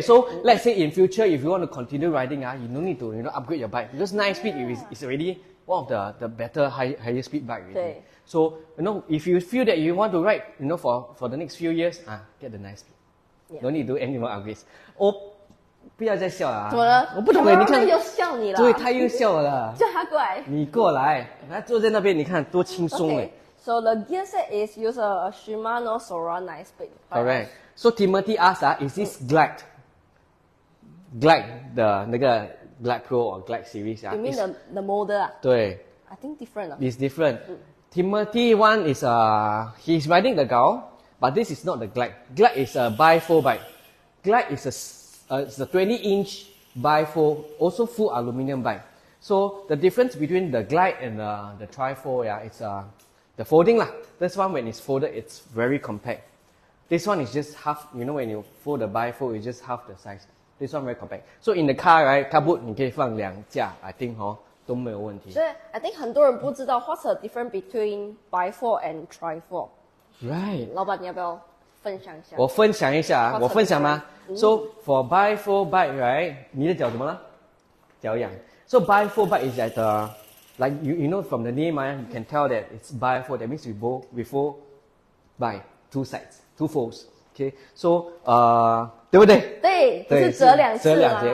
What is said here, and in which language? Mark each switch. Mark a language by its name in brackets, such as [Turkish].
[English] So let's say in future, if you want to continue riding, you don't need to, you know, upgrade your bike because 9 speed is already one of the better higher speed bike. Really. [Chinese] 对。 [English] So, you know, if you feel that you want to ride, you know, for the next few years, get the 9 speed. Yeah. Don't need to do any more upgrades. [Chinese] Oh, 不要再笑了啊。怎么了？我不懂了，你看。他又笑你了。对，他又笑了。叫他过来。你过来。他坐在那边，你看多轻松哎。 [English] So the gear set is use a Shimano Sora 9 speed. Correct. So Timothy asked, is this glide? Glide, the 那个 glide pro or glide series. You mean the model? [Chinese] 对。 [English] I think different. It's different. Timothy one is he's riding the Gao, but this is not the Glide. Glide is a bi-fold bike. Glide is a 20 inch bi-fold, also full aluminium bike. So the difference between the Glide and the Trifold, yeah, it's the folding lah. This one when it's folded, it's very compact. This one is just half, you know, when you fold the bi-fold, it's just half the size. This one very compact. So in the car, right, car boot, [Chinese] 你可以放两架, [English] I think, huh? [Chinese] 都没有问题。所以 [English] I think [Chinese] 很多人不知道 [English] what's the difference between bifold and trifold. Right. [Chinese] 老板，你要不要分享一下？我分享一下啊，我分享吗？ [English] So for bifold bike, right? [Chinese] 你的脚怎么了？脚痒。 [English] So bifold bike is like you know from the name, you can tell that it's bifold. That means we fold by two sides, two folds. Okay. So [Chinese] 对不对？对，是折两次啦。折两节